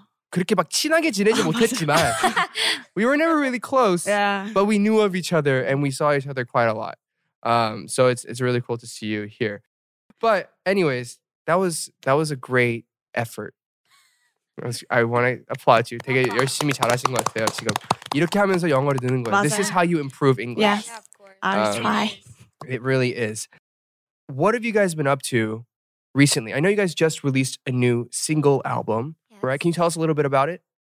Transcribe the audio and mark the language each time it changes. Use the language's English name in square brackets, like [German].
[Korean] 그렇게 막 친하게 지내지 못했지만. [English] We were never really close. Yeah. But we knew of each other and we saw each other quite a lot. So it's really cool to see you here. But anyways, that was a great effort. I want to applaud you. [Korean] 되게 열심히 잘하신 것 같아요. 지금 이렇게 하면서 영어를 듣는 거예요. 맞아요. [English] This is how you improve English. Yes, yeah, of course. I try. It really is. What have you guys been up to recently? I know you guys just released a new single album, yes. Right? Can you tell us a little bit about it?